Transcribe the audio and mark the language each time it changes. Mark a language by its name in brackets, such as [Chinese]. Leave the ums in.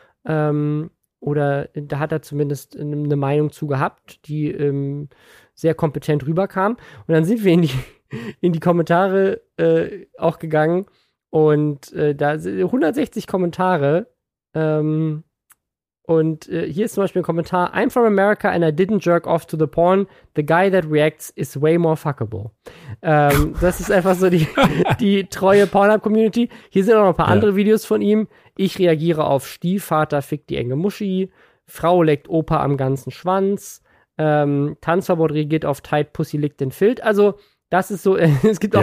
[German] Ähm, oder da hat er zumindest eine Meinung zu gehabt, die ähm, sehr kompetent rüberkam. Und dann sind wir in die, in die Kommentare äh, auch gegangen. Und äh, da sind 160 Kommentare. Ähm, und äh, hier ist zum Beispiel ein Kommentar: [English] I'm from America and I didn't jerk off to the porn. The guy that reacts is way more fuckable. [German] Ähm, das ist einfach so die, die treue Pornhub-Community. Hier sind auch noch ein paar Ja. andere Videos von ihm. Ich reagiere auf Stiefvater fickt die enge Muschi. Frau leckt Opa am ganzen Schwanz. Ähm, Tanzverbot reagiert auf Tight Pussy lickt den Filt. Also, das ist so, es gibt auch